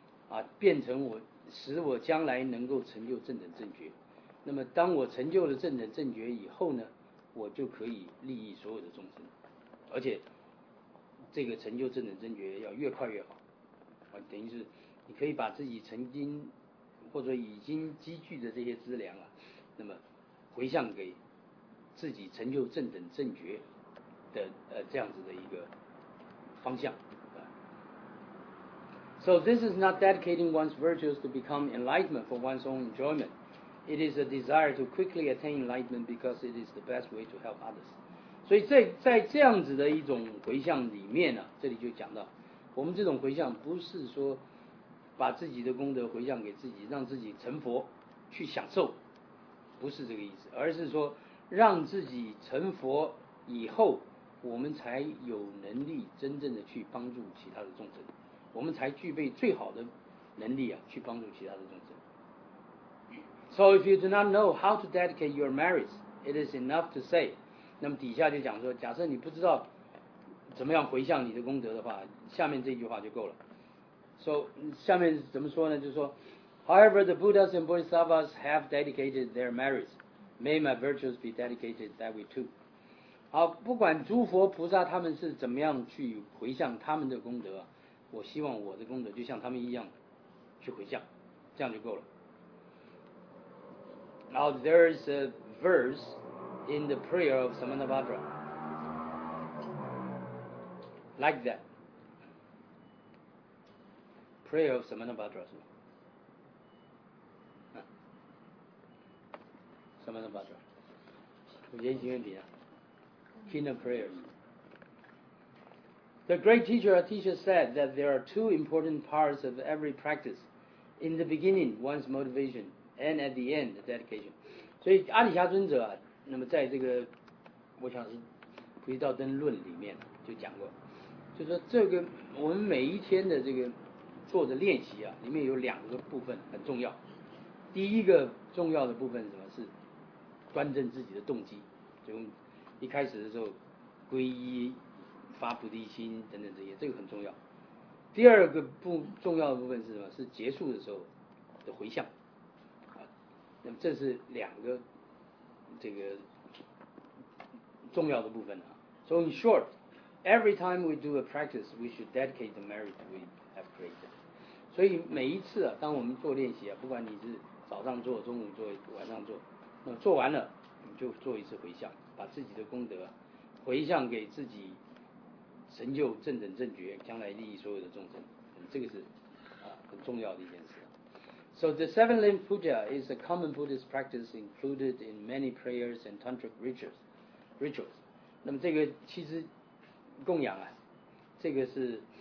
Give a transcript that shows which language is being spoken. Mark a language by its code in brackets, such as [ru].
[zh] 啊，变成我使我将来能够成就正等正觉，那么当我成就了正等正觉以后呢，我就可以利益所有的众生，而且这个成就正等正觉要越快越好啊，等于是你可以把自己曾经或者已经积聚的这些资粮啊，那么回向给自己成就正等正觉的这样子的一个方向啊。 [en] So this is not dedicating one's virtues to become enlightenment for one's own enjoyment. It is a desire to quickly attain enlightenment because it is the best way to help others. [zh] 所以在这样子的一种回向里面呢、啊，这里就讲到，我们这种回向不是说把自己的功德回向给自己，让自己成佛去享受，不是这个意思，而是说让自己成佛以后，我们才有能力真正的去帮助其他的众生，我们才具备最好的能力啊，去帮助其他的众生。 [en] So if you do not know how to dedicate your merits, it is enough to say. [zh] 那么底下就讲说，假设你不知道怎么样回向你的功德的话，下面这句话就够了。 So, 下面怎么说呢？就说 [en] However, the Buddhas and Bodhisattvas have dedicated their merits. May my virtues be dedicated that way too. [zh] 好，不管诸佛菩萨他们是怎么样去回向他们的功德，我希望我的功德就像他们一样去回向，这样就够了。 [en] Now, there is a verse in the prayer of Samanabhadra. Like that. Prayer of Samanabhadra, is it? Samanabhadra. Yan Xing Yuan Bin, King of Prayers. The great teacher, a teacher said that there are two important parts of every practice. In the beginning, one's motivation, and at the end, dedication. [zh] 所以阿里峡尊者啊，那么在这个，我想是《菩提道灯论》里面就讲过，就说这个我们每一天的这个做的练习啊，里面有两个部分很重要。第一个重要的部分是什么？是端正自己的动机，就一开始的时候皈依、发菩提心等等这些，这个很重要。第二个不重要的部分是什么？是结束的时候的回向啊。那么这是两个这个重要的部分啊。 [en] So in short, every time we do a practice, we should dedicate the merit we have created. [zh] 所以每一次啊，当我们做练习啊，不管你是早上做、中午做、晚上做，那做完了你就做一次回向，把自己的功德、啊、回向给自己，成就正等正觉，将来利益所有的众生，这个是啊很重要的一件事。 [en] So the seven limb puja is a common Buddhist practice included in many prayers and tantric rituals. Rituals. [zh] 那么这个其实供养啊，这个是。